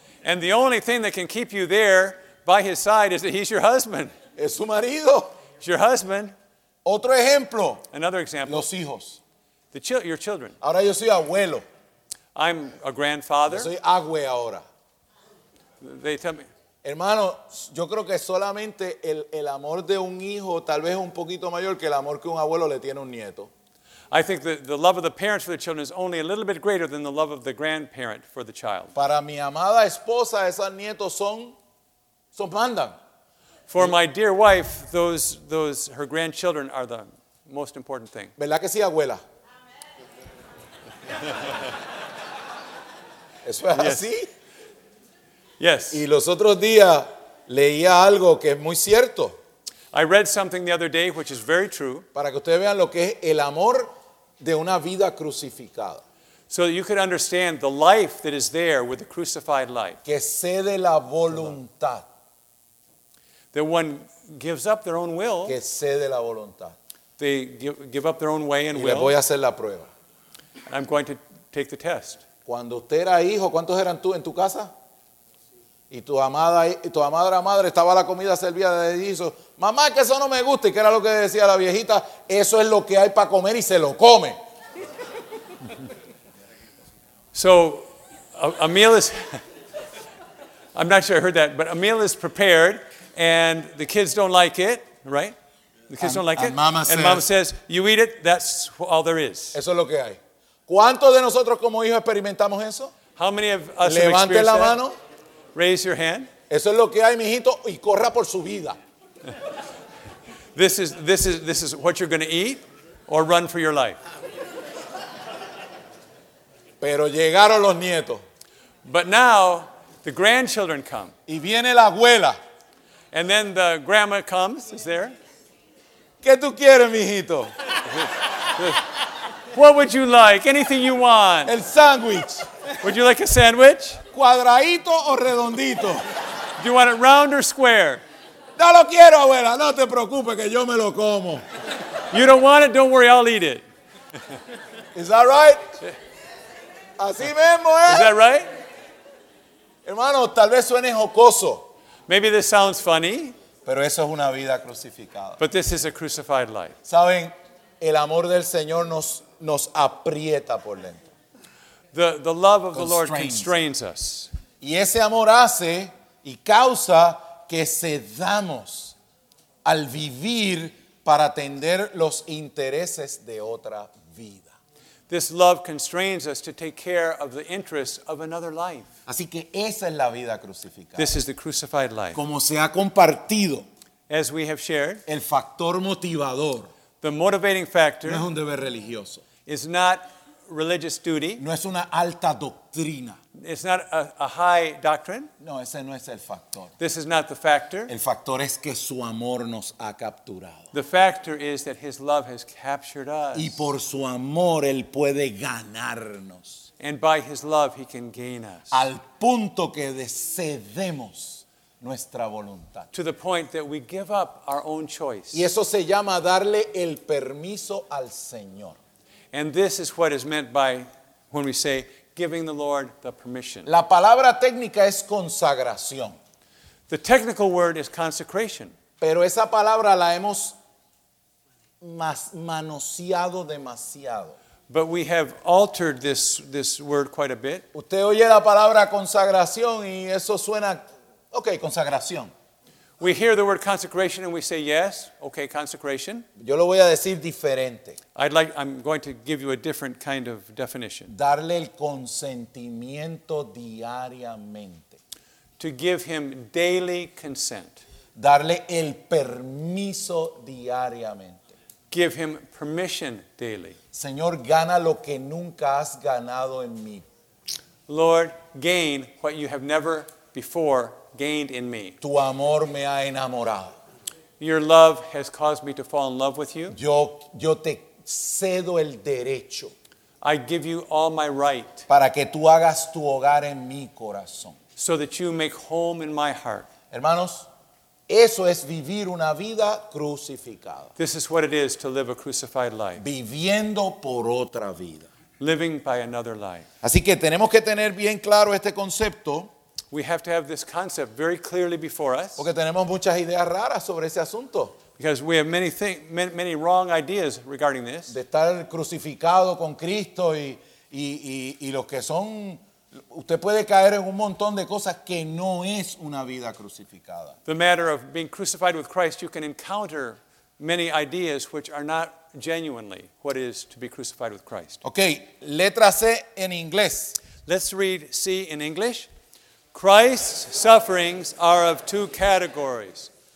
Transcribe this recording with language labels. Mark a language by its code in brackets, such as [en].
[en] And the only thing that can keep you there by his side is that he's your husband. [es] Es su marido. [en] It's your husband. [es] Otro ejemplo. [en] Another example. [es] Los hijos. [en] Your children. [es] Ahora yo soy abuelo. [en] I'm a grandfather. [es] Yo soy agüe ahora. [en] They tell me, [es] Hermano, yo creo que solamente el amor de un hijo tal vez es un poquito mayor que el amor que un abuelo le tiene a un nieto. [en] I think the love of the parents for the children is only a little bit greater than the love of the grandparent for the child. [es] Para mi amada esposa, esos nietos son mandan. [en] For my dear wife, those her grandchildren are the most important thing. [es] ¿Verdad que sí, abuela? ¿Eso es así? [en] Yes. [es] Y los otros días leía algo que es muy cierto. [en] I read something the other day which is very true. [es] Para que ustedes vean lo que es el amor de una vida crucificada. [en] So you could understand the life that is there with the crucified life. [es] Que cede la voluntad. [en] That one gives up their own will. [es] Que cede la voluntad. [en] They give up their own way and [es] y [en] will. [es] Y le voy a hacer la prueba. [en] And I'm going to take the test. [es] Cuando usted era hijo, ¿cuántos eran tú en tu casa? Y tu amada madre estaba la comida servida de hizo, mamá, que eso no me gusta. ¿Y qué era lo que decía la viejita? Eso es lo que hay para comer y se lo come. [en] So, a meal is, I'm not sure I heard that, but a meal is prepared and the kids don't like it, right? The kids don't like it. And mama says, you eat it, that's all there is. [es] Eso es lo que hay. ¿Cuántos de nosotros como hijos experimentamos eso? [en] How many of us [es] levanten la mano. [en] That? Raise your hand. [es] Eso es lo que hay, mijito, y corra por su vida. [en] This is what you're going to eat or run for your life. [es] Pero llegaron los nietos. [en] But now the grandchildren come. [es] Y viene la abuela. [en] And then the grandma comes, is there? [es] ¿Qué tú quieres, mijito? [en] What would you like? Anything you want. [es] El sándwich. [en] Would you like a sandwich? [es] Cuadradito o redondito. [en] Do you want it round or square? [es] No lo quiero, abuela. No te preocupes que yo me lo como. [en] You don't want it? Don't worry, I'll eat it. Is that right? [es] Así mismo, ¿eh? [en] Is that right? [es] Hermano, tal vez suene jocoso. [en] Maybe this sounds funny. [es] Pero eso es una vida crucificada. [en] But this is a crucified life. [es] ¿Saben? El amor del Señor nos aprieta por dentro. [en] The love of the Lord constrains us. [es] Y ese amor hace y causa que cedamos al vivir para atender los intereses de otra vida. [en] This love constrains us to take care of the interests of another life. [es] Así que esa es la vida crucificada. [en] This is the crucified life. [es] Como se ha compartido. [en] As we have shared. [es] El factor motivador. [en] The motivating factor. [es] No es un deber religioso. [en] Is not religious duty. [es] No es una alta doctrina. [en] It's not a high doctrine. [es] No, ese no es el factor. [en] This is not the factor. [es] El factor es que su amor nos ha capturado. [en] The factor is that his love has captured us. [es] Y por su amor él puede ganarnos. [en] And by his love he can gain us. [es] Al punto que cedemos nuestra voluntad. [en] To the point that we give up our own choice. [es] Y eso se llama darle el permiso al Señor. [en] And this is what is meant by when we say giving the Lord the permission. [es] La palabra técnica es consagración. [en] The technical word is consecration. [es] Pero esa palabra la hemos manoseado demasiado. [en] But we have altered this word quite a bit. [es] Usted oye la palabra consagración y eso suena, okay, consagración. [en] We hear the word consecration and we say, yes, okay, consecration. [es] Yo lo voy a decir diferente. [en] I'm going to give you a different kind of definition. [es] Darle el consentimiento diariamente. [en] To give him daily consent. [es] Darle el permiso diariamente. [en] Give him permission daily. [es] Señor, gana lo que nunca has ganado en mí. [en] Lord, gain what you have never before gained in me. [es] Tu amor me ha enamorado. [en] Your love has caused me to fall in love with you. [es] Yo te cedo el derecho. [en] I give you all my right. [es] Para que tú hagas tu hogar en mi corazón. [en] So that you make home in my heart. [es] Hermanos, eso es vivir una vida crucificada. [en] This is what it is to live a crucified life. [es] Viviendo por otra vida. [en] Living by another life. [es] Así que tenemos que tener bien claro este concepto. [en] We have to have this concept very clearly before us. [es] Porque tenemos muchas ideas raras sobre ese asunto. [en] Because we have many wrong ideas regarding this. [es] De estar crucificado con Cristo y los que son Usted puede caer en un montón de cosas que no es una vida crucificada. [en] The matter of being crucified with Christ, you can encounter many ideas which are not genuinely what it is to be crucified with Christ. [es] Okay, letra C en inglés. [en] Let's read C in English. Christ's sufferings are of two categories.